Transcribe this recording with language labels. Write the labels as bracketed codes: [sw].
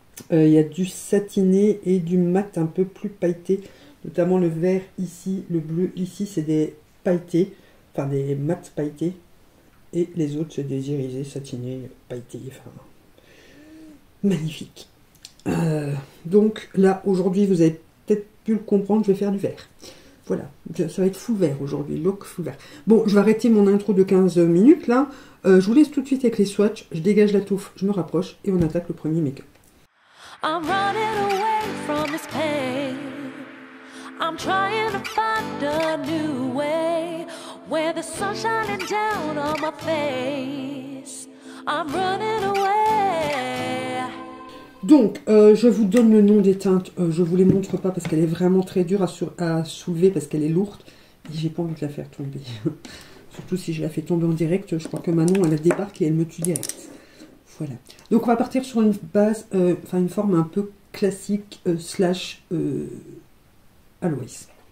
[fr] Il y a du satiné et du mat un peu plus pailleté, notamment le vert ici, le bleu ici, c'est des pailletés, enfin des mats pailletés, et les autres c'est des irisés, satinés, pailletés, enfin, magnifique. Donc là, aujourd'hui, vous avez peut-être pu le comprendre, je vais faire du vert. Voilà, ça va être full vert aujourd'hui, look full vert. Bon, je vais arrêter mon intro de 15 minutes là, je vous laisse tout de suite avec les swatchs, je dégage la touffe, je me rapproche, et on attaque le premier make-up. [en] I'm running away from this pain. I'm trying to find a new way where the sun's shining down on my face. I'm running away. [fr] Donc, je vous donne le nom des teintes. Je ne vous les montre pas parce qu'elle est vraiment très dure à soulever parce qu'elle est lourde. Et j'ai pas envie de la faire tomber. Surtout si je la fais tomber en direct. Je crois que Manon, elle la débarque et elle me tue direct. Voilà. Donc on va partir sur une base, enfin une forme un peu classique slash Aloys.